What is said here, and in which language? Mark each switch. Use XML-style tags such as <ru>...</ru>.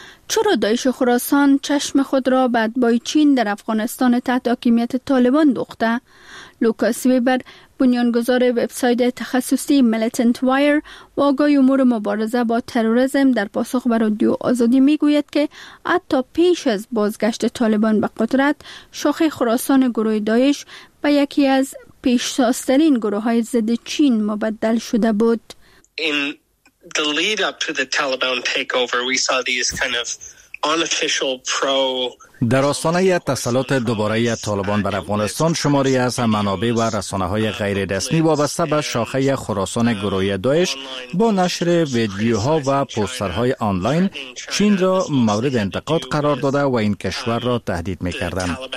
<fa>چرا داعش خراسان چشم خود را بعد با چین در افغانستان تحت حاکمیت طالبان دوخته؟ لوکاس ویبر، بنیانگذار وبسایت تخصصی ملیتنت وایر و آگاهی امور مبارزه با تروریسم، در پاسخ به رادیو آزادی میگوید که حتی پیش از بازگشت طالبان به قدرت، شاخه خراسان گروه داعش به یکی از پیشتازترین گروه های ضد چین مبدل شده بود.</fa> <en>The lead up to the Taliban takeover, we saw these kind of unofficial pro.</en> <fa>در آستانه تسلط دوباره طالبان بر افغانستان، شماری از منابع و رسانه‌های غیر رسمی وابسته به شاخه خراسان گروه داعش با نشر ویدیوها و پوسترهای آنلاین چین را مورد انتقاد قرار داده و این کشور را تهدید می‌کردند.</fa>